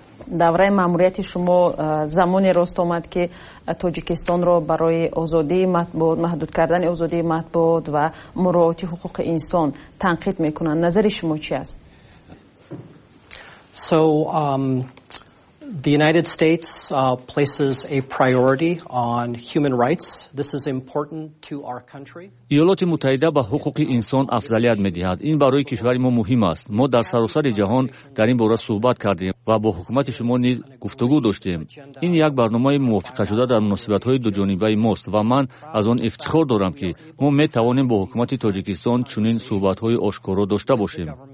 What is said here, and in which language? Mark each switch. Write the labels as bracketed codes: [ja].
[tg] давраи маъмурияти шумо замоне рост омад ки тоҷикистонро барои озодии матбуот, маҳдуд кардани озодии матбуот ва муроати ҳуқуқи инсон танқид мекунанд. Назари шумо чи аст? [en] So the United States places a priority on human rights. This is important to our country. [tg] Иёлоти Муттаҳида ба ҳуқуқи инсон афзалият медиҳад. Ин барои кишвари мо муҳим аст. Мо дар саросари ҷаҳон дар ин бора суҳбат кардем ва бо ҳукумати шумо низ гуфтугӯ доштем. Ин як барномаи мувофиқатшуда дар муносибатҳои дуҷонибаи мост ва ман аз он ифтихор дорам ки мо метавонем бо ҳукумати Тоҷикистон чунин суҳбатҳои ошкоро дошта бошем.